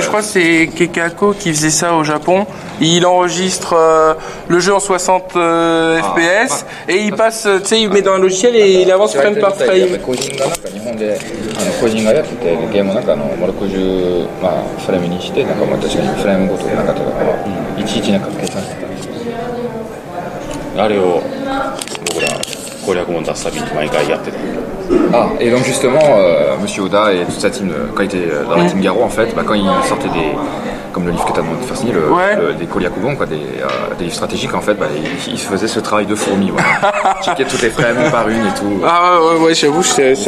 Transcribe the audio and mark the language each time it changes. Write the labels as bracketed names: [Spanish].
[French] Je crois que c'est Keikako qui faisait ça au Japon. Il enregistre le jeu en 60 FPS et il passe, tu sais, il met dans un logiciel et il avance frame par frame. [Japanese] 個人がやっててゲームの中の60、まあ、フレームにしてなんか確かにフレームごとなんかとか、うん、いちいちなんか計算してたあれを僕ら攻略本出すたびに毎回やってた。 [French] Ah, et donc justement, Monsieur Oda et toute sa team, quand il était dans la team Garou, en fait, bah, quand ils sortaient des, comme le livre que t'as demandé de faire signer, des Koliakubon, quoi, des livres stratégiques, en fait, bah, ils faisaient ce travail de fourmi, voilà. Checker toutes les frames par une et tout. Ah ouais, j'avoue, c'est